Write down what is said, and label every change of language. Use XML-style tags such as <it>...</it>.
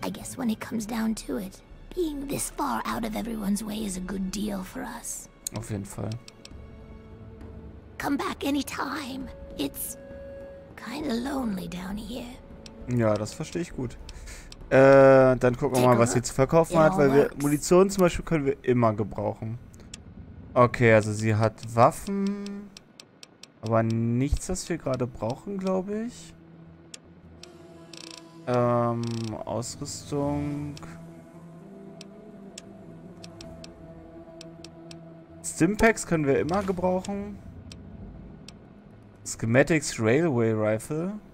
<en>I guess when it comes down to it, being this far out of everyone's way is a good deal for us.</en> <de>Auf jeden Fall.</de> <en>Come back anytime. It's kinda lonely down here.</en> <de>Ja, das verstehe ich gut. Dann gucken wir mal, was sie zu verkaufen hat, weil wir Munition zum Beispiel können wir immer gebrauchen. Okay, also sie hat Waffen, aber nichts, was wir gerade brauchen, glaube ich. Ausrüstung. Stimpaks können wir immer gebrauchen.</de> <en>Schematics Railway Rifle.</en>